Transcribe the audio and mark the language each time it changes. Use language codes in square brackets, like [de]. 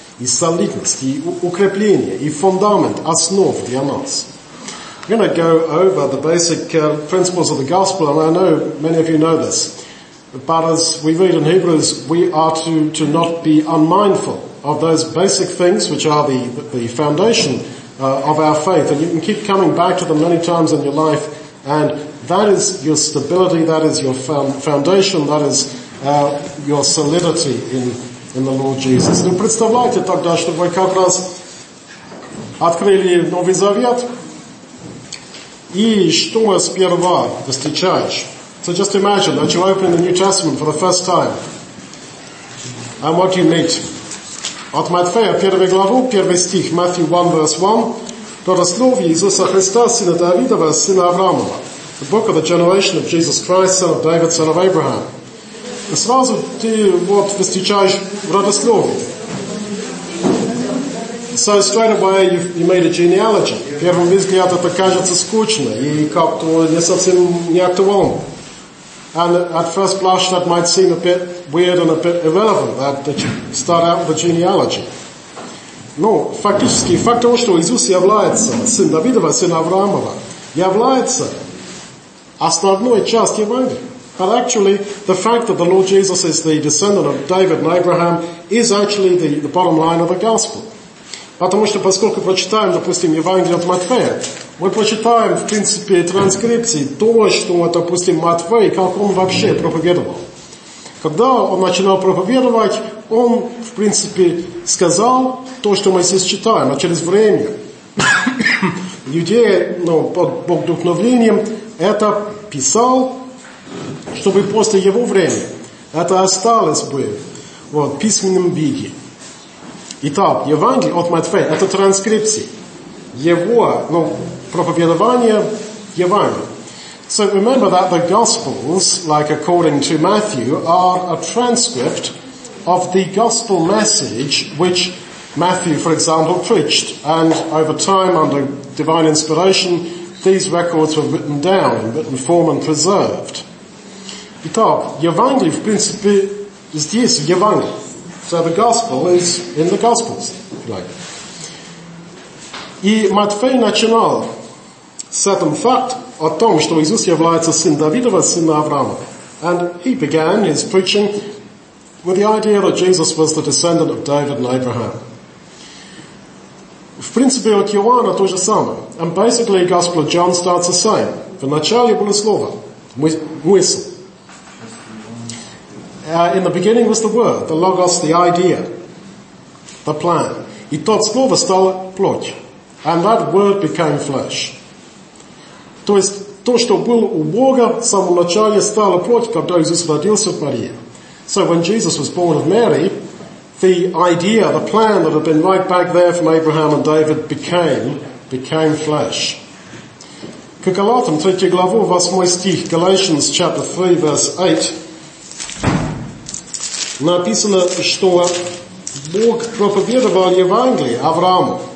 [ru] И солидность, и укрепление, и фундамент, основ для нас. [en] I'm going to go over the basic principles of the gospel, and I know many of you know this. But as we read in Hebrews, we are to not be unmindful of those basic things which are the foundation of our faith. And you can keep coming back to them many times in your life, and that is your stability, that is your foundation, that is your solidity in the Lord Jesus. [ru] Ну, представляете тогда, что вы как раз открыли Новый Завет, и что сперва встречаешь? [en] So just imagine that you open the New Testament for the first time. And what do you meet? [ru] От Матфея, 1 главу, 1 стих, [en] Matthew 1, verse 1. [ru] То рассловие Иисуса Христа, сына Давидова, сына Авраамова. [en] The book of the generation of Jesus Christ, son of David, son of Abraham. [ru] И сразу ты вот встречаешь родословие. [en] So straight away you made a genealogy. [ru] В первом взгляд это кажется скучно и как-то не совсем не актуально. [en] And at first blush that might seem a bit weird and a bit irrelevant that you start out with a genealogy. [ru] Но фактически факт того, что Иисус является сын Давидова, сын Авраамова, является основной частью Евангелия. [en] But actually, the fact that the Lord Jesus is the descendant of David and Abraham is actually the bottom line of the gospel. [ru] Потому что поскольку прочитаем, допустим, Евангелие от Матфея, мы прочитаем, в принципе, транскрипции то, что, допустим, Матфей, как он вообще проповедовал. Когда он начинал проповедовать, он, в принципе, сказал то, что мы здесь читаем, а через время иудеи, под вдохновением, это писал, чтобы после его времени это осталось бы в письменном виде. Итак, Евангелие от Матфея – это транскрипция его проповедования Евангелия. [en] So remember that the Gospels, like according to Matthew, are a transcript of the Gospel message which Matthew, for example, preached. And over time, under divine inspiration, these records were written down in written form and preserved. [ru] Итак, Евангелие, в принципе, здесь, в Евангелии. [en] So the Gospel is in the Gospels, if you like. [ru] И Матфей начинал с этим факт о том, что Иисус является сын Давидова, сын Авраама. [en] And he began his preaching with the idea that Jesus was the descendant of David and Abraham. [ru] В принципе, от Иоанна то же самое. [en] And basically, the Gospel of John starts the same. [ru] В начале было слово, мысль. [en] In the beginning was the word, the logos, the idea, the plan. [ru] И тот слово стало плоть. [en] And that word became flesh. [ru] То есть, то, что было у Бога, в самом начале стало плоть, когда Иисус родился от Марии. [en] So when Jesus was born of Mary, the idea, the plan that had been right back there from Abraham and David became flesh. [ru] К Галатам, 3 главу, 8 стих, [en] Galatians chapter 3, verse 8, [ru] написано, что Бог проповедовал Евангелие Аврааму.